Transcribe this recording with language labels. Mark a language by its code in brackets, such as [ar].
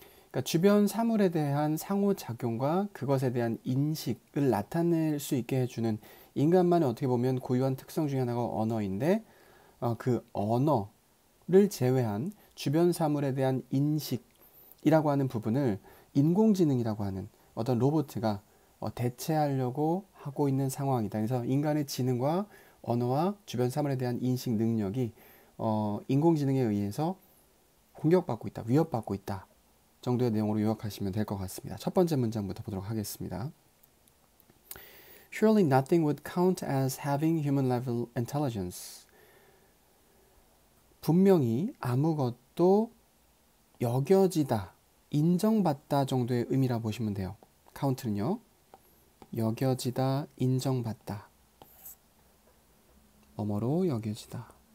[ko] 그러니까 주변 사물에 대한 상호작용과 그것에 대한 인식을 나타낼 수 있게 해주는 인간만의 어떻게 보면 고유한 특성 중에 하나가 언어인데, 그 언어를 제외한 주변 사물에 대한 인식이라고 하는 부분을 인공지능이라고 하는 어떤 로봇가 대체하려고 하고 있는 상황이다. 그래서 인간의 지능과 언어와 주변 사물에 대한 인식 능력이 인공지능에 의해서 공격받고 있다, 위협받고 있다 정도의 내용으로 요약하시면 될것 같습니다. 첫 번째 문장부터 보도록 하겠습니다. [en] Surely nothing would count as having human level intelligence. [ko] 분명히 아무것도 여겨지다, 인정받다 정도의 의미라 보시면 돼요. Count는요, 여겨지다, 인정받다, 뭐뭐로 여겨지다.